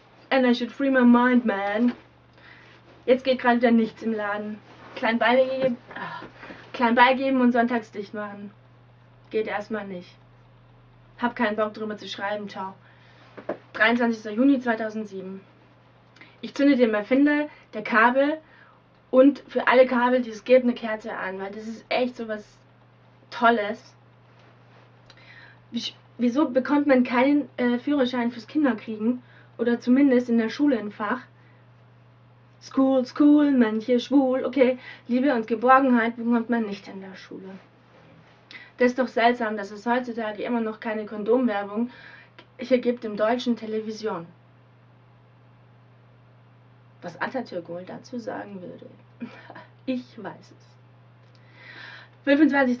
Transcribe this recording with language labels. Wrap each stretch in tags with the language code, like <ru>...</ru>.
<en>And I should free my mind, man.</en> <de>Jetzt geht gerade wieder nichts im Laden. Klein beigeben und sonntags dicht machen. Geht erstmal nicht. Hab keinen Bock drüber zu schreiben. Ciao. 23. Juni 2007. Ich zünde den Erfinder der Kabel und für alle Kabel, die es gibt, eine Kerze an, weil das ist echt sowas Tolles. Wieso bekommt man keinen Führerschein fürs Kinderkriegen? Oder zumindest in der Schule ein Fach?</de> <en>School, school,</en> <de>manche schwul, okay. Liebe und Geborgenheit bekommt man nicht in der Schule. Das ist doch seltsam, dass es heutzutage immer noch keine Kondomwerbung hier gibt im deutschen Television. Was Atatürk wohl dazu sagen würde? Ich weiß es. 25.</de>